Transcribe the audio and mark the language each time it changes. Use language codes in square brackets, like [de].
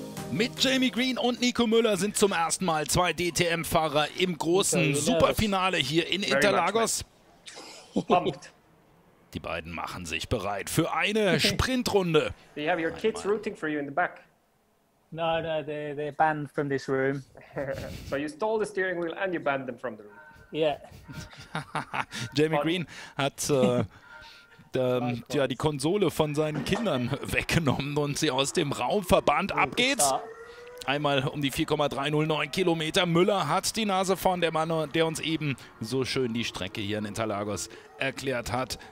[de] Mit Jamie Green und Nico Müller sind zum ersten Mal zwei DTM-Fahrer im großen Superfinale hier in Interlagos. Die beiden machen sich bereit für eine Sprintrunde. [en] Do you have your kids rooting for you in the back? No, they're banned from this room. So you stole the steering wheel and you banned them from the room. Yeah. [de] Jamie Green hat die Konsole von seinen Kindern weggenommen und sie aus dem Raum verbannt. Ab geht's. Einmal um die 4,309 Kilometer. Müller hat die Nase vorn, der Mann, der uns eben so schön die Strecke hier in Interlagos erklärt hat.